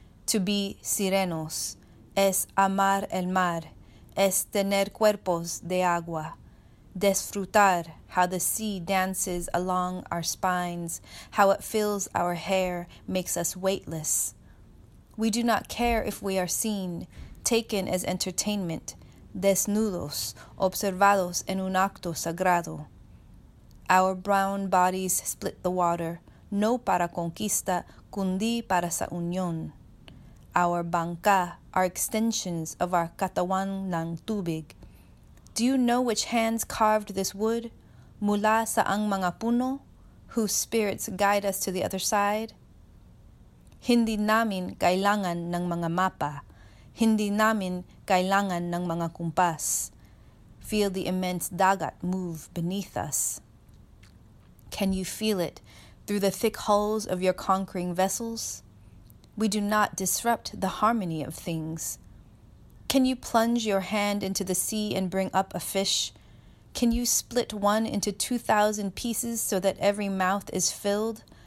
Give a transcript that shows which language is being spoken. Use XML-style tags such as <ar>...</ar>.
<en>To be</en> <es>sirenos es amar el mar, es tener cuerpos de agua.</es> <en>Desfrutar how the sea dances along our spines, how it fills our hair, makes us weightless. We do not care if we are seen, taken as entertainment,</en> <es>desnudos, observados en un acto sagrado.</es> <en>Our brown bodies split the water,</en> <es>no para conquista, cundi para sa unión.</es> <en>Our bangka are extensions of our</en> <tl>katawan ng tubig.</tl> <en>Do you know which hands carved this wood?</en> <tl>Mula sa ang mga puno?</tl> <en>Whose spirits guide us to the other side?</en> <tl>Hindi namin kailangan ng mga mapa. Hindi namin kailangan ng mga kumpas.</tl> <en>Feel the immense dagat move beneath us. Can you feel it through the thick hulls of your conquering vessels? We do not disrupt the harmony of things. Can you plunge your hand into the sea and bring up a fish? Can you split one into 2,000 pieces so that every mouth is filled?</en>